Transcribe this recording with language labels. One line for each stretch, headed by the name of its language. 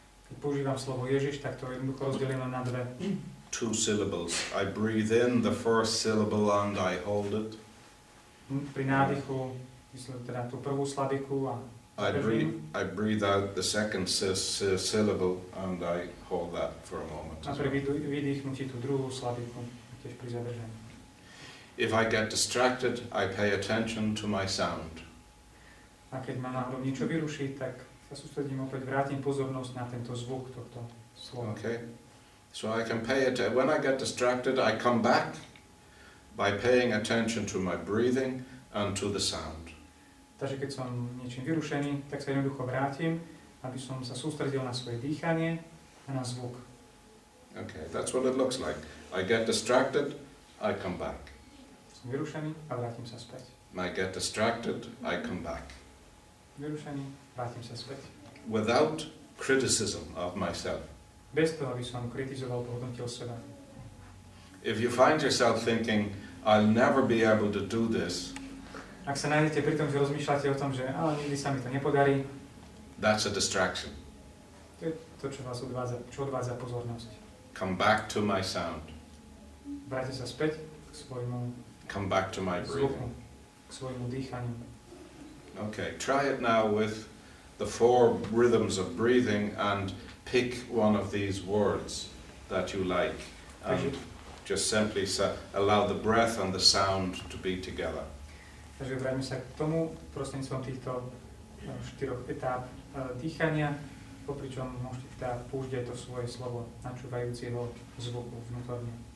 Slovak: Keď používam slovo Ježiš, tak to jednoducho rozdelím na dve.
English: Two syllables. I breathe in the first syllable and I hold it.
Slovak: Pri nádychu, myslím teda tú prvú slabiku a
English: I breathe out the second syllable and I hold that for a moment.
Slovak: A pri vydýchnutí tú druhú slabiku, tiež pri zadržaní.
English: If I get distracted, I pay attention to my sound.
Slovak: A keď ma náhodou niečo vyruší, tak sa sústredím opäť, vrátim pozornosť na tento zvuk tohto slova.
English: Okay. So I can pay it when I get distracted I come back by paying attention to my breathing and to the sound.
Slovak: Takže keď som niečím vyrušený, tak sa jednoducho vrátim, aby som sa sústredil na svoje dýchanie a na zvuk.
English: Okay, that's what it looks like. I get distracted, I come back.
Slovak: Som vyrušený a vrátim sa späť.
English: I get distracted, I come back.
Slovak: Vyrušený, vrátim sa späť.
English: Without criticism of myself.
Slovak: Bez toho, aby som kritizoval, pohodnotil seba.
English: If you find yourself thinking, I'll never be able to do this.
Slovak: Ak sa nájdete pri tom, že rozmýšľate o tom, že ale nikdy sa mi to nepodarí.
English: That's a distraction.
Slovak: To je to, čo vás odvádza, čo odvádza pozornosť.
English: Come back to my sound.
Slovak: Vráte sa späť k svojmu
English: Come back to my
Slovak: zvuku,
English: breathing.
Slovak: K svojmu dýchaniu.
English: Okay, try it now with the four rhythms of breathing and pick one of these words that you like. And
Slovak: takže,
English: just simply say, allow the breath and the sound to be together.
Slovak: Takže vráťme sa k tomu prostredníctvom týchto štyroch etáp dýchania, popričom môžete teda použiť aj to svoje slovo, načúvajúci jeho zvuku vnútorne.